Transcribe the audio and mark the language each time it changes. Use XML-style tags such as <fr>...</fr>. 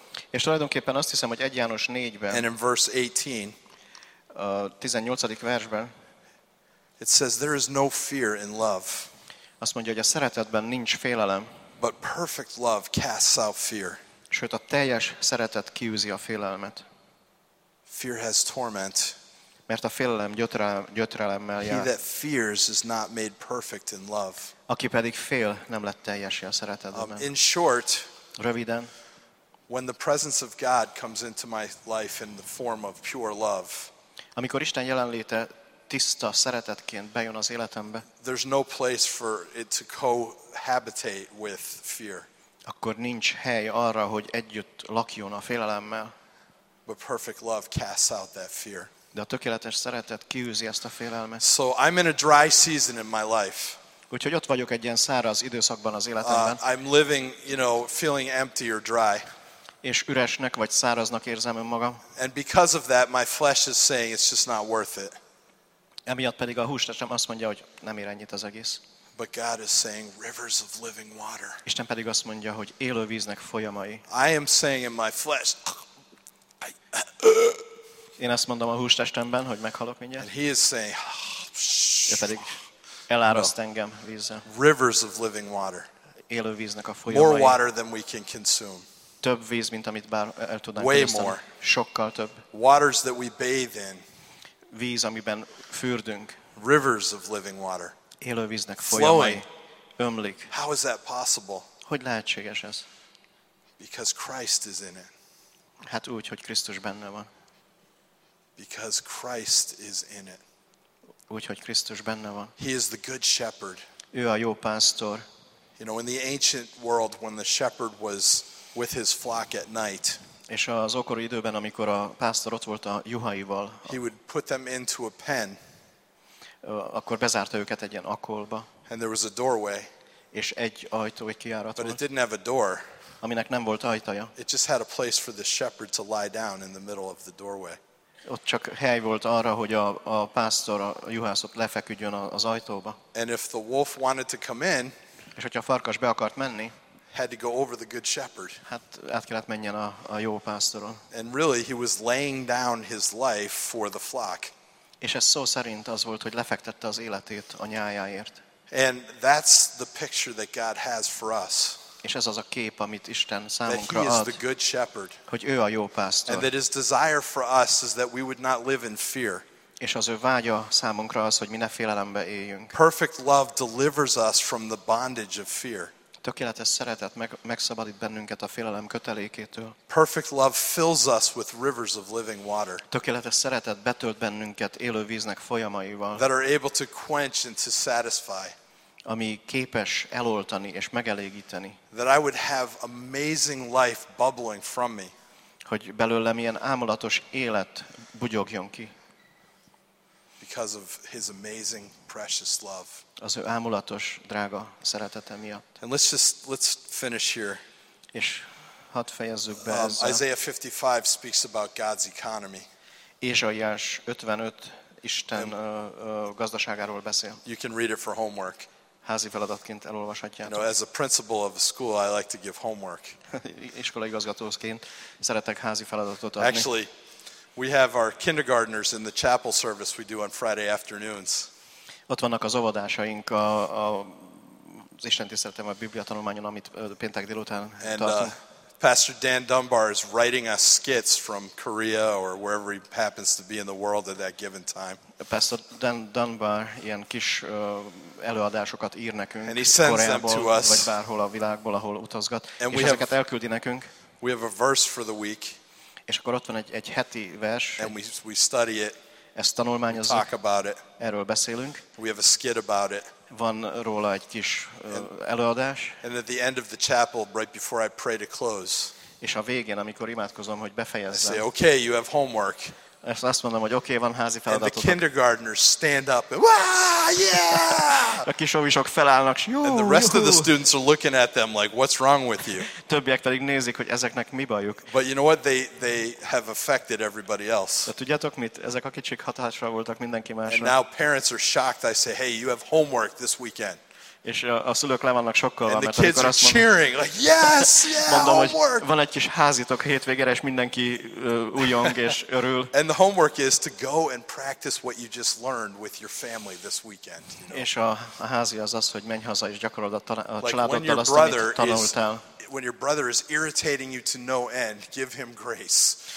<hu>És tulajdonképpen azt hiszem, hogy 1 János 4-ben.</hu> <en>And in verse 18.</en> <hu>A 18. versben.</hu> <en>It says there is no fear in love.</en> <hu>Azt mondja, hogy a szeretetben nincs félelem.</hu> <en>But perfect love casts out fear.</en> <hu>Sőt, a teljes szeretet kiűzi a félelmet.</hu> <en>Fear has torment.</en> <hu>Mert a félelem gyötrelemmel jár.</hu> <en>He that fears is not made perfect in love.</en> <hu>Aki pedig fél, nem lett teljes a szeretetben.</hu> <en>In short,</en> <hu>röviden,</hu> <en>when the presence of God comes into my life in the form of pure love.</en> <hu>Amikor Isten jelenléte tiszta szeretetként bejön az életembe.</hu> <en>There's no place for it to cohabitate with fear.</en> <hu>Akkor nincs hely arra, hogy együtt lakjon a félelemmel.</hu> <en>But perfect love casts out that fear.</en> <hu>De a tökéletes szeretet kiűzi ezt a félelmet.</hu> <en>So I'm in a dry season in my life.</en> <hu>Úgyhogy ott vagyok egy ilyen száraz időszakban az életemben.</hu> <en>I'm living, you know, feeling empty or dry.</en> <hu>És üresnek vagy száraznak érzem önmagam.</hu> <en>And because of that my flesh is saying it's just not worth it.</en> <hu>Emiatt pedig a hústestem azt mondja, hogy nem ér ennyit az egész.</hu> <en>But God is saying rivers of living water.</en> <hu>Isten pedig azt mondja, hogy élő víznek folyamai.</hu> <en>I am saying in my flesh.</en> <hu>Én azt mondom a hústestemben, hogy meghalok mindjárt.</hu> <en>And he is saying,</en> <hu>ő pedig eláraszt engem vízzel.</hu> <en>Rivers of living water.</en> <hu>Élő víznek a folyamai.</hu> <en>More water than we can consume.</en> <hu>Több víz, mint amit bár el tudnánk fogyasztani. Sokkal több.</hu> <en>Waters that we bathe in.</en> <hu>Víz, amiben fürdünk.</hu> <en>Rivers of living water.</en> <hu>Élő víznek folyamai. Ömlik.</hu> <en>How is that possible?</en> <hu>Hogy lehetséges ez?</hu> <en>Because Christ is in it.</en> <hu>Hát úgy, hogy Krisztus benne van.</hu> <en>Because Christ is in it.</en> <hu>Úgy, hogy Krisztus benne van.</hu> <en>He is the good shepherd.</en> <hu>Ő a jó pásztor.</hu> <en>You know, in the ancient world, when the shepherd was with his flock at night.</en> <hu>És az ókori időben, amikor a pásztor ott volt a juhaival.</hu> <en>He would put them into a pen.</en> <hu>Akkor bezárta őket egy ilyen akolba.</hu> <en>And there was a doorway.</en> <hu>És egy ajtó, egy kijárat volt.</hu> <en>But it didn't have a door.</en> <hu>Aminek nem volt ajtaja.</hu> <en>It just had a place for the shepherd to lie down in the middle of the doorway.</en> <hu>Ott csak hely volt arra, hogy a pásztor, a juhászok lefeküdjön az ajtóba.</hu> <en>And if the wolf wanted to come in,</en> <hu>és hogyha a farkas be akart menni,</hu> <en>had to go over the good shepherd.</en> <hu>Hát át kellett menjen a jó pásztoron.</hu> <en>And really he was laying down his life for the flock.</en> <hu>És ez szó szerint az volt, hogy lefektette az életét a nyájáért.</hu> <en>And that's the picture that God has for us.</en> <hu>És ez az a kép, amit Isten számunkra ad.</hu> <en>That he is the good shepherd.</en> <hu>Hogy ő a jó pásztor.</hu> <en>And that his desire for us is that we would not live in fear.</en> <hu>És az ő vágya számunkra az, hogy mi ne félelembe éljünk.</hu> <en>Perfect love delivers us from the bondage of fear.</en> <hu>Tökéletes szeretet megszabadít bennünket a félelem kötelékétől.</hu> <en>Perfect love fills us with rivers of living water.</en> <hu>Tökéletes szeretet betölt bennünket élő víznek folyamaival.</hu> <en>That are able to quench and to satisfy.</en> <hu>Ami képes eloltani és megelégíteni.</hu> <en>That I would have amazing life bubbling from me.</en> <hu>Hogy belőlem ilyen ámulatos élet bugyogjon ki.</hu> <en>Because of his amazing precious love.</en> <hu>Az ő ámulatos drága szeretete miatt.</hu> <en>And let's finish here.</en> <hu>És hadd fejezzük be ezzel.</hu> <en>Isaiah 55 speaks about God's economy.</en> <hu>Ézsaiás 55 Isten gazdaságáról beszél.</hu> <en>You can read it for homework.</en> <hu>Házi feladatként elolvashatjátok.</hu> <en>You know, as a principal of a school, I like to give homework.</en> <hu>Iskolai igazgatóként szeretek házi feladatot adni.</hu> <en>Actually, we have our kindergartners in the chapel service we do on Friday afternoons.</en> <hu>Ott vannak az óvodásaink az istentiszteletem a Biblia tanulmányon, amit péntek délután tartunk.</hu> <en>Pastor Dan Dunbar is writing us skits from Korea or wherever he happens to be in the world at that given time.</en> <hu>Pastor Dan Dunbar ilyen kis előadásokat ír nekünk.</hu> <en>And he sends them to us.</en> <hu>Vagy bárhol a világból, ahol utazgat.</hu> <en>And</en> <hu>és ezeket elküldi nekünk.</hu> <en>We have a verse for the week.</en> <hu>És akkor ott van egy heti vers.</hu> <en>And we study it.</en> <hu>Ezt tanulmányozzuk.</hu> <en>Talk about it.</en> <hu>Erről beszélünk.</hu> <en>We have a skit about it.</en> <hu>Van róla egy kis előadás.</hu> <en>And at the end of the chapel, right before I pray to close.</en> <hu>És a végén, amikor imádkozom, hogy befejezzem.</hu> <en>I say, okay, you have homework.</en> <hu>És azt mondom, hogy okay, van házi feladatotok.</hu> <en>And the kindergartners stand up and wow, yeah!</en> <hu>A kisovisok felállnak.</hu> <en>And the rest of the students are looking at them like, what's wrong with you?</en> <hu>Többiek pedig nézik, hogy ezeknek mi bajuk.</hu> <en>But you know what? They have affected everybody else.</en> <hu>De tudjátok mit? Ezek a kicsik hatással voltak mindenki másra.</hu> <en>And now parents are shocked. I say, hey, you have homework this weekend.</en> <hu>És a szülők le vannak sokkal, mert amikor azt mondom,</hu> <en>like, yes, yeah,</en> <hu>mondom, hogy van egy kis házitok hétvégére, és mindenki ujjong és örül.</hu> <en>And the homework is to go and practice what you just learned with your family this weekend. You know?</en> <hu>És a házi az, hogy menj haza és gyakorold a családoddal like azt, amit tanultál.</hu> <en>When your brother is irritating you to no end, give him grace.</en>